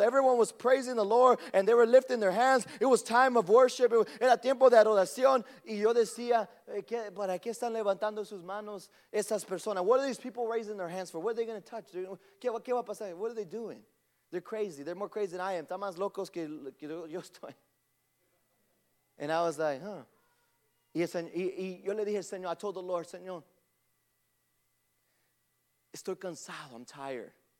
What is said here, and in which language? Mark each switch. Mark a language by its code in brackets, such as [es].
[en] Everyone was praising the Lord, and they were lifting their hands. It was time of worship. [es] Era tiempo de adoración, y yo decía, ¿para qué están levantando sus manos esas personas? [en] What are these people raising their hands for? What are they going to touch? [es] ¿Qué va a pasar? [en] What are they doing? They're crazy. They're more crazy than I am. [es] Están más locos que yo estoy. [en] And I was like, huh. [es] Y yo le dije al Señor, [en] I told the Lord, [es] Señor, estoy cansado. [en] I'm tired.